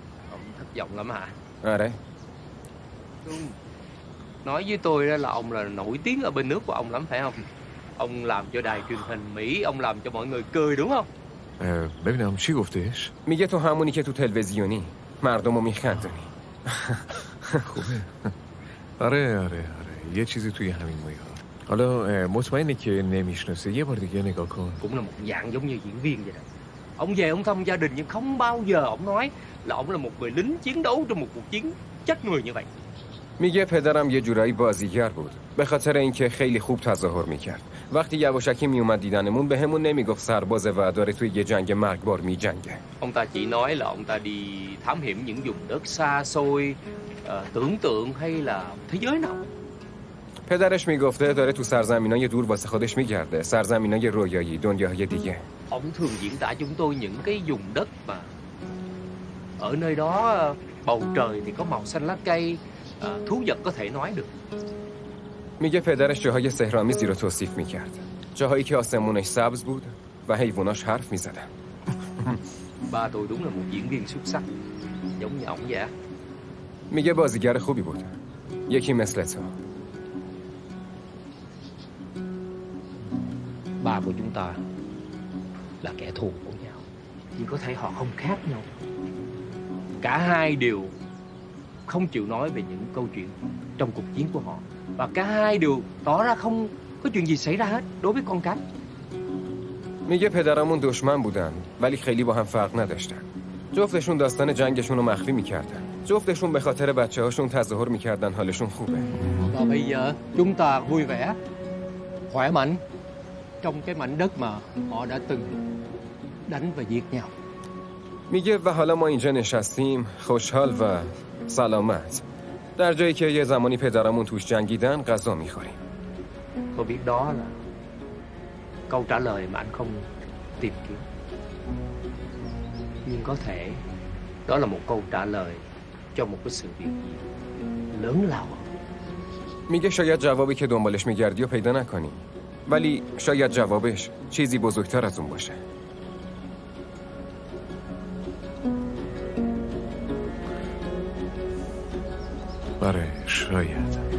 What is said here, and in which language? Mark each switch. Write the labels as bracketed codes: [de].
[vi] Ông thất vọng lắm hả? À đấy. Nói với tôi là ông là nổi tiếng ở bên nước của ông lắm phải không? Ông làm cho đài truyền hình Mỹ, ông làm cho mọi người cười đúng không? [fa] ببینم چی گفتیش؟ میگه تو همونی که تو تلویزیونی مردم رو میخندونی. خوبه. آره آره آره. یه چیزی توی همین مایه ها. حالا مطمئنه که نمیشناسه. یه بار دیگه نگاه کن. [vi] Cũng là một dạng giống như diễn viên vậy đó. Ông về ông thăm gia đình nhưng không bao giờ ông nói là ông là một người lính chiến đấu trong một cuộc chiến chết người như vậy. [fa] میگه پدرم یه جورایی بازیگر بود. به خاطر اینکه خیلی خوب تظاهر میکرد. وقتی یواشکی میومد دیدنمون بهمون نمیگفت سرباز و داره توی یه جنگ مرگبار میجنگه. [vi] Ông ta chỉ nói là ông ta đi thám hiểm những vùng đất xa xôi, tưởng tượng hay là thế giới nào. [fa] پدرش میگفته داره تو سرزمینای دور واسه خودش میگرده. سرزمینای رویایی، دنیاهای دیگه. [vi] Ông thường diễn tả chúng tôi những cái vùng đất mà ở nơi đó bầu trời thì có màu xanh lá cây. Thú vật có thể nói được. [fa] میگه پدرش جاهای سحرآمیزی رو توصیف میکرد. جاهایی که آسمونش سبز بود و حیواناش حرف میزدن. [vi] Ba tôi đúng là một diễn viên xuất sắc. Giống như ông vậy. [fa] میگه بازیگر خوبی بود. یکی مثل تو. [vi] Ba của chúng ta là kẻ thù của nhau. Nhưng có thể họ không khác nhau. Cả hai đều không chịu nói về những câu chuyện trong cuộc chiến của họ và cả hai đều tỏ ra không có chuyện gì xảy ra hết đối với con cái. [fa] میگه پدرمون دشمن بودن ولی خیلی با هم فرق نداشتن. جفتشون داستان جنگشون رو مخفی میکردن. جفتشون به خاطر بچه‌هاشون تظاهر میکردن حالشون خوبه. [vi] Và bây giờ chúng ta vui vẻ, khỏe mạnh trong cái mảnh đất mà họ đã từng đánh và giết nhau. [fa] میگه و حالا ما اینجا نشستیم خوشحال و سلامت در جایی که یه زمانی پدرمون توش جنگیدن غذا میخوریم. [vi] Tôi biết đó là câu trả lời mà anh không tìm kiếm. Nhưng có thể đó là một câu trả lời cho một cái sự việc gì lớn lao. [fa] میگه شاید جوابی که دنبالش میگردی و پیدا نکنی ولی شاید جوابش چیزی بزرگتر از اون باشه. آره شاید.